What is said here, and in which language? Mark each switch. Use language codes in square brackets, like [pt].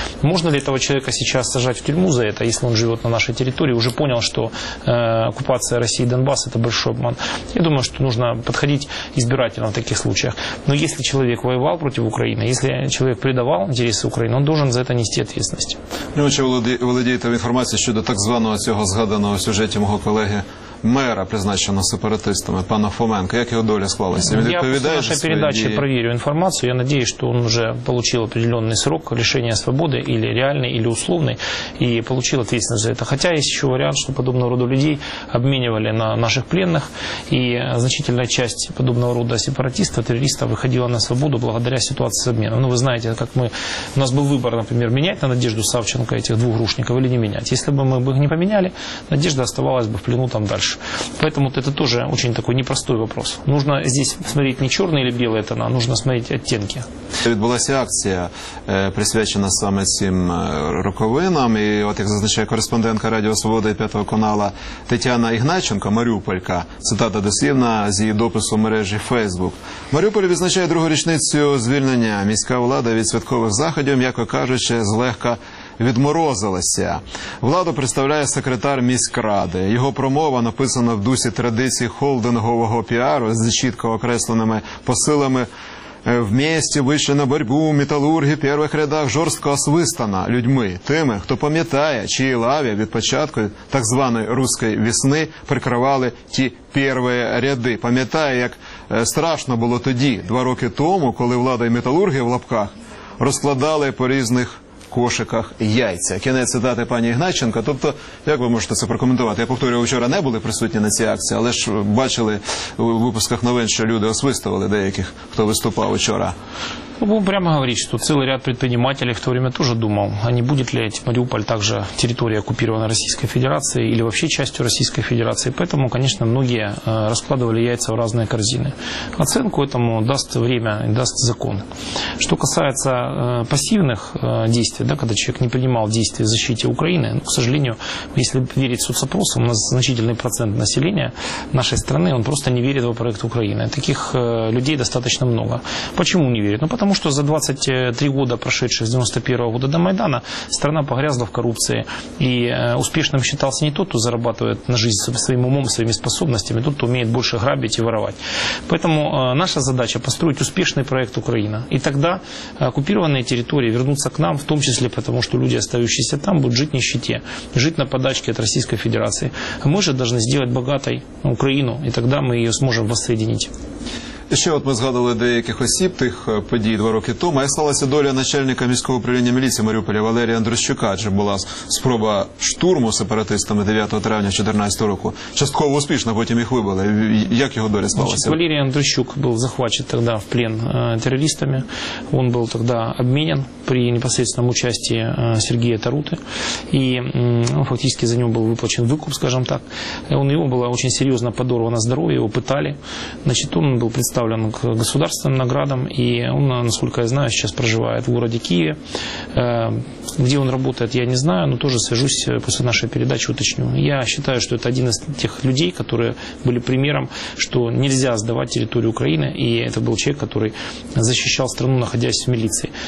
[ru] Можно ли этого человека сейчас сажать в тюрьму за это, если он живет на нашей территории, уже понял, что оккупация России и Донбасса – это большой обман? Я думаю, что нужно подходить избирательно в таких случаях. Но если человек воевал против Украины, если человек предавал интересы Украины, он должен за это нести ответственность. Не очень владеет информацией [uk] щодо так званого цього згаданого сюжета [ru] моего коллеги [uk] мера, призначено сепаратистами, пана Фоменко, як його доля склалася? Я по нашій передачі перевірю інформацію. Я надіюсь, що він вже отримав определенний срок лишення свободи, [ru] или реальний, или условний, [uk] і отримав відповідальність за це. Хоча є ще варіант, що подобного роду людей обмінювали на наших пленних, і значительна часть подобного роду сепаратистів, терористів виходила на свободу благодаря ситуації з обміну. Ну, ви знаєте, як ми, у нас був вибір, наприклад, міняти на Надежду Савченко цих двох грушників, [ru] или не міняти. [uk] Якщо б ми їх не поміняли, [ru] Надежда оставалась бы в плену там дальше. Поэтому это тоже очень такой непростой вопрос. Нужно здесь смотреть не черный или белый тона, нужно смотреть оттенки. [uk] Відбулася акція, присвячена саме цим роковинам. І от, як зазначає кореспондентка Радіо Свобода і П'ятого каналу Тетяна Ігнатченко, маріуполька, цитата дослівна з її допису мережі Facebook. Маріуполь відзначає другу річницю звільнення. Міська влада від святкових заходів, м'яко кажучи, злегка відморозилася. Владу представляє секретар міськради. Його промова написана в дусі традицій холдингового піару з чітко окресленими посилами. В місті вийшли на боротьбу металурги в перших рядах жорстко освистана людьми, тими, хто пам'ятає, чиї лаві від початку так званої «руської весни» прикривали ті перші ряди. Пам'ятає, як страшно було тоді, два роки тому, коли влада і металурги в лапках розкладали по різних кошиках яйця. Кінець цитати пані Ігнатченко. Тобто, як ви можете це прокоментувати? Я повторюю, вчора не були присутні на цій акції, але ж бачили у випусках новин, що люди освистували деяких, хто виступав вчора. [ru] Ну, будем прямо говорить, что целый ряд предпринимателей в то время тоже думал, а не будет ли эти Мариуполь также территорией, оккупированной Российской Федерацией или вообще частью Российской Федерации. Поэтому, конечно, многие раскладывали яйца в разные корзины. Оценку этому даст время и даст закон. Что касается пассивных действий, да, когда человек не принимал действия в защите Украины, ну, к сожалению, если верить соцопросам, у нас значительный процент населения нашей страны, он просто не верит в проект Украины. Таких людей достаточно много. Почему не верит? Ну, потому что за 23 года, прошедшие с 91 года до Майдана, страна погрязла в коррупции. И успешным считался не тот, кто зарабатывает на жизнь своим умом, своими способностями, а тот, кто умеет больше грабить и воровать. Поэтому наша задача – построить успешный проект Украина. И тогда оккупированные территории вернутся к нам, в том числе потому, что люди, остающиеся там, будут жить в нищете, жить на подачке от Российской Федерации. Мы же должны сделать богатой Украину, и тогда мы ее сможем воссоединить. [uk] Ще от ми згадували деяких осіб тих подій два роки тому, і сталася доля начальника міського управління міліції Маріуполя Валерія Андрущука, адже була спроба штурму сепаратистами 9 травня 2014 року. Частково успішно, потім їх вибили. Як його доля сталася? Значить, Валерій Андрущук був захвачений тоді в плен терористами. Він був тоді обмінен при непосредственному участі Сергія Тарути. І фактично за нього був виплачений викуп, скажімо так. У нього була дуже серйозно подорвана здоров'я, його питали. Значить, він був [ru] представлен к государственным наградам, и он, насколько я знаю, сейчас проживает в городе Киеве. Где он работает, я не знаю, но тоже свяжусь после нашей передачи, уточню. Я считаю, что это один из тех людей, которые были примером, что нельзя сдавать территорию Украины, и это был человек, который защищал страну, находясь в милиции.